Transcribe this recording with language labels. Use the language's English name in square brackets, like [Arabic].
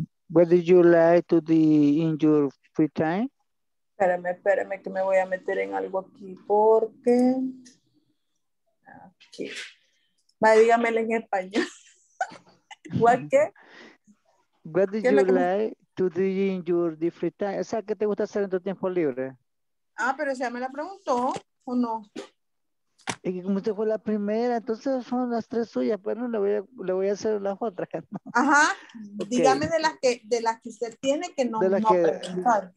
[English] What did you like to do in your free time? [Spanish] Espérame que me voy a meter en algo aquí porque aquí. Va, dígamelo en español. ¿Qué? [English] What do you like to do in your different time? [Spanish] O sea, ¿qué te gusta hacer en tu tiempo libre? Ah, pero ya me la preguntó, ¿o no? Es que como usted fue la primera, entonces son las tres suyas, pero no, le voy a hacer las otras. Ajá, okay. Dígame de las que usted tiene que no, de las no que, preguntar.